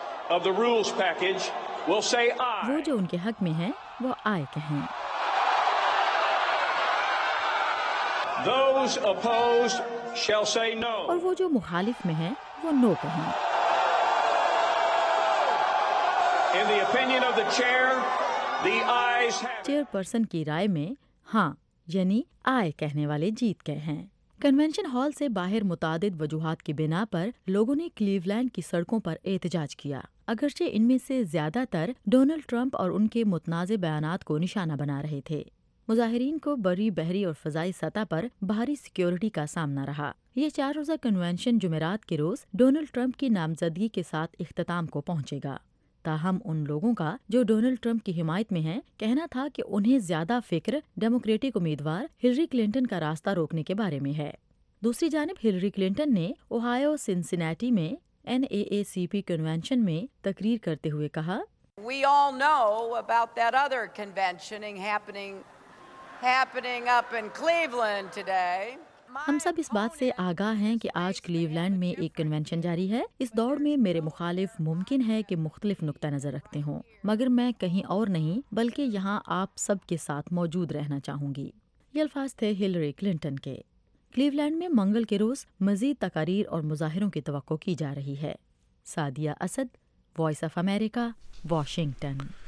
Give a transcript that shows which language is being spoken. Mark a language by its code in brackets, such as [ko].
[en] of the rules package will say aye. [ur] وہ جو ان کے حق میں ہیں وہ آئے کہیں۔ [en] Those opposed shall say no. [ur] اور وہ جو مخالف میں ہیں وہ نو کہیں۔ [en] In the opinion of the chair, the ayes have... [ur] chair person کی رائے میں ہاں یعنی آئے کہنے والے جیت گئے ہیں۔ کنونشن ہال سے باہر متعدد وجوہات کی بنا پر لوگوں نے کلیولینڈ کی سڑکوں پر احتجاج کیا، اگرچہ ان میں سے زیادہ تر ڈونلڈ ٹرمپ اور ان کے متنازع بیانات کو نشانہ بنا رہے تھے۔ مظاہرین کو بری، بحری اور فضائی سطح پر بھاری سیکیورٹی کا سامنا رہا۔ یہ چار روزہ کنونشن جمعرات کے روز ڈونلڈ ٹرمپ کی نامزدگی کے ساتھ اختتام کو پہنچے گا۔ تاہم ان لوگوں کا جو ڈونلڈ ٹرمپ کی حمایت میں ہیں کہنا تھا کہ انہیں زیادہ فکر ڈیموکریٹک امیدوار ہلری کلنٹن کا راستہ روکنے کے بارے میں ہے۔ دوسری جانب ہلری کلنٹن نے اوہایو سنسیناٹی میں این اے اے سی پی کنونشن میں تقریر کرتے ہوئے کہا، [en] We all know about that other convention happening up in Cleveland today. [ur] ہم سب اس بات سے آگاہ ہیں کہ آج کلیولینڈ میں ایک کنونشن جاری ہے۔ اس دوڑ میں میرے مخالف ممکن ہے کہ مختلف نقطہ نظر رکھتے ہوں، مگر میں کہیں اور نہیں بلکہ یہاں آپ سب کے ساتھ موجود رہنا چاہوں گی۔ یہ الفاظ تھے ہلری کلنٹن کے۔ کلیولینڈ میں منگل کے روز مزید تقاریر اور مظاہروں کی توقع کی جا رہی ہے۔ Sadia Asad, voice of America, Washington.